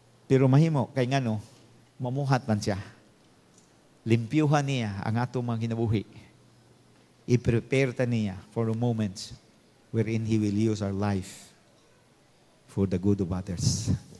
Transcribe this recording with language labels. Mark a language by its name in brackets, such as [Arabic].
[Cebuano] Pero mahimo, kay nga no, mamuhat man siya. Limpiyuhan niya ang atong mga kinabuhi. I-prepare ta niya [English] for a moment wherein He will use our life for the good of others.